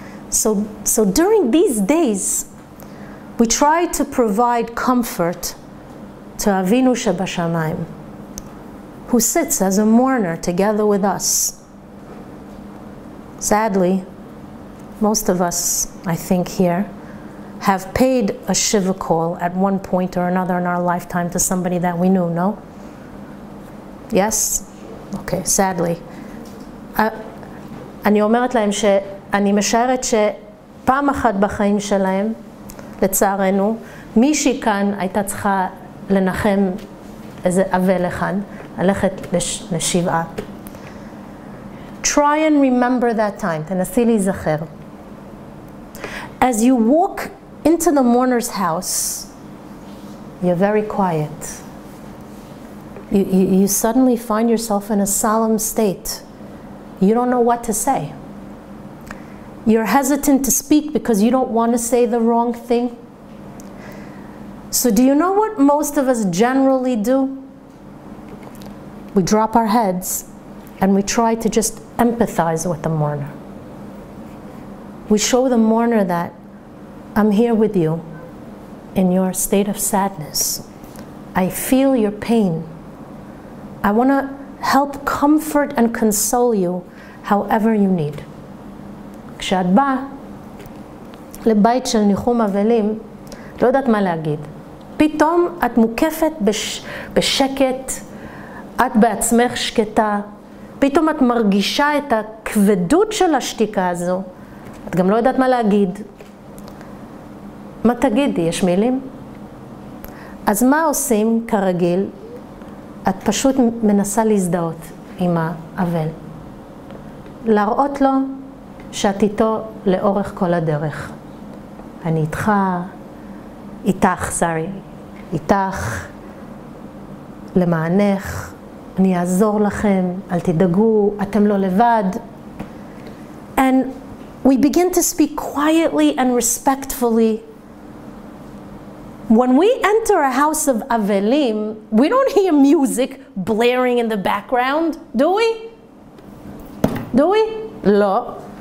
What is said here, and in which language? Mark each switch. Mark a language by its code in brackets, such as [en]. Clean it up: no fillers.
[en] So during these days, we try to provide comfort to Avinu Shebashamayim, who sits as a mourner together with us. Sadly, most of us, I think, here, have paid a shiva call at one point or another in our lifetime to somebody that we knew, no? Yes? Okay, sadly. [he] אני אומרת להם שאני משערת שפעם אחת בחיים שלהם, לצערנו, מישהי כאן הייתה צריכה לנחם איזה אבל אחד, ללכת לשבעה. [en] Try and remember that time, [he] תנסי להיזכר. [en] As you walk into the mourner's house, you're very quiet. You suddenly find yourself in a solemn state. You don't know what to say. You're hesitant to speak because you don't want to say the wrong thing. So do you know what most of us generally do? We drop our heads and we try to just empathize with the mourner. We show the mourner that I'm here with you in your state of sadness. I feel your pain. I want to help comfort and console you however you need. [he] כשאת באה לבית של ניחום אבלים, לא יודעת מה להגיד. פתאום את מוקפת בשקט, את בעצמך שקטה. פתאום את מרגישה את הכבדות של השתיקה הזו. את גם לא יודעת מה להגיד. מה תגידי? יש מילים? אז מה עושים כרגיל? את פשוט מנסה להזדהות עם האבל. להראות לו שאת איתו לאורך כל הדרך. אני איתך, איתך, סורי, איתך, למענך, אני אעזור לכם, אל תדאגו, אתם לא לבד. [en] And we begin to speak quietly and respectfully. When we enter a house of avelim, we don't hear music blaring in the background, do we? Do we? No.